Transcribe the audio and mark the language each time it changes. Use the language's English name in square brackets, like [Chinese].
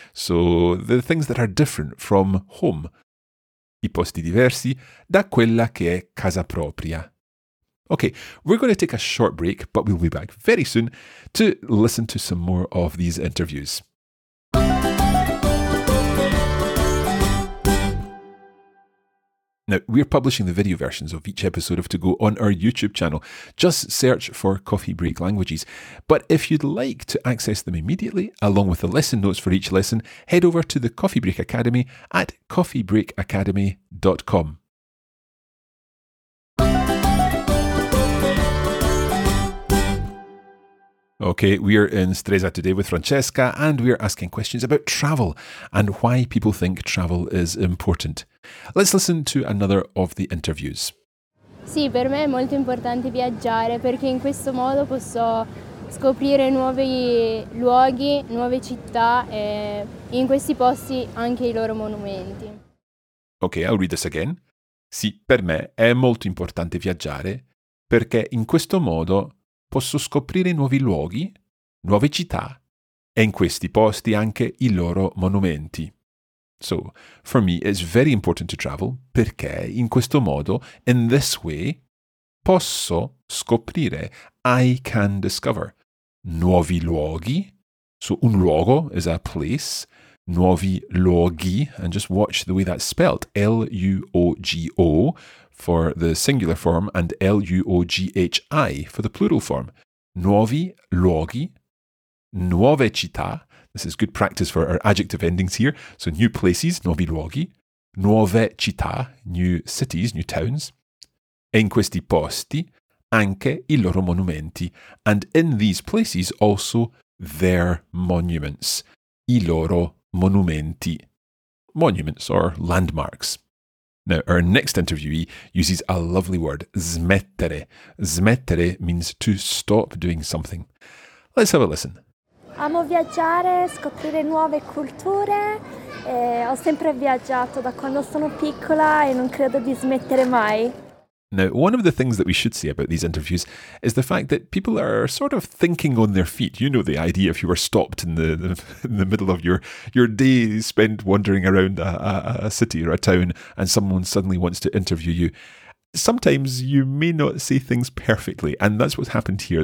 [English] So the things that are different from home. [Italian] I posti diversi da quella che è casa propria. [English] Okay, we're going to take a short break, but we'll be back very soon to listen to some more of these interviews. Now, we're publishing the video versions of each episode of To Go on our YouTube channel. Just search for Coffee Break Languages. But if you'd like to access them immediately, along with the lesson notes for each lesson, head over to the Coffee Break Academy at coffeebreakacademy.com. Okay, we're in Stresa today with Francesca, and we're asking questions about travel and why people think travel is important. Let's listen to another of the interviews. [Italian] Sì, per me è molto importante viaggiare perché in questo modo posso scoprire nuovi luoghi, nuove città e in questi posti anche i loro monumenti. [English] Okay, I'll read this again. [Italian] Sì, per me è molto importante viaggiare perché in questo modo posso scoprire nuovi luoghi, nuove città, e in questi posti anche i loro monumenti. [English] So, for me, it's very important to travel, [Italian] perché in questo modo, [English] in this way, [Italian] posso scoprire, [English] I can discover, [Italian] nuovi luoghi. [English] So, un luogo is a place, [Italian] nuovi luoghi, [English] and just watch the way that's spelled, L-U-O-G-O, for the singular form, and L-U-O-G-H-I for the plural form. [Italian] Nuovi luoghi, nuove città. [English] This is good practice for our adjective endings here. So new places, [Italian] nuovi luoghi. Nuove città, [English] new cities, new towns. [Italian] E in questi posti, anche I loro monumenti. [English] And in these places, also their monuments. [Italian] I loro monumenti. [English] Monuments or landmarks. Now, our next interviewee uses a lovely word, smettere. Smettere means to stop doing something. Let's have a listen. [Italian] Amo viaggiare, scoprire nuove culture. Ho sempre viaggiato da quando sono piccola e non credo di smettere mai. [English] Now, one of the things that we should say about these interviews is the fact that people are sort of thinking on their feet. You know the idea if you were stopped in the middle of your day spent wandering around a city or a town and someone suddenly wants to interview you. Sometimes you may not say things perfectly, and that's what's happened here.